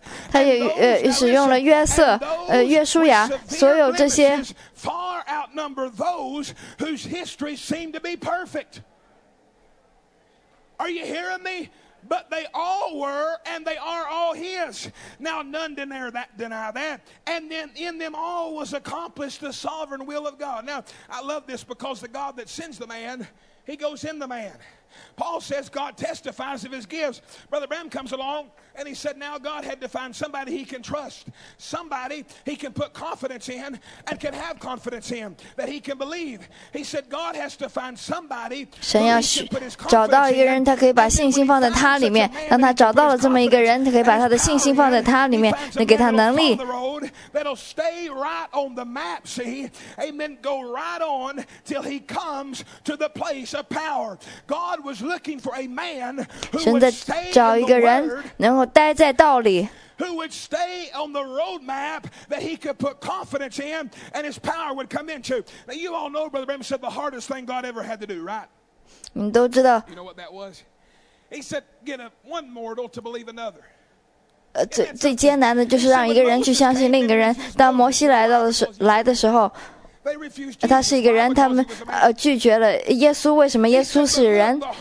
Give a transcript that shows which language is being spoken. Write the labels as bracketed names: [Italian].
[Chinese] 他也使用了约瑟，约书亚，所有这些。 [English] Far outnumber those whose history seem to be perfect. Are you hearing me? But they all were, and they are all his. Now none deny that. And then in them all was accomplished the sovereign will of God. Now I love this because the God that sends the man, he goes in the man. Paul says God testifies of his gifts. Brother Bram comes along and he said now God had to find somebody he can trust, somebody he can put confidence in and can have confidence in that he can believe. He said God has to find somebody who can put his confidence in. [Chinese] 找到一个人，他可以把信心放在他里面。当他找到了这么一个人，他可以把他的信心放在他里面，能给他能力。 [English] That'll stay right on the map. See, amen. Go right on till he comes to the place of power. God was looking for a man who would stay in the word. [Chinese] 能够待在道里。 [English] Who would stay on the roadmap that he could put confidence in and his power would come into? Now you all know, Brother Bram said the hardest thing God ever had to do, right? [Chinese] 你都知道。 [English] You know what that was? He said, "Get one mortal to believe another." [Chinese] 最艰难的就是让一个人去相信另一个人。当摩西来的时候。他是一个人，他们拒绝了耶稣。为什么耶稣是人？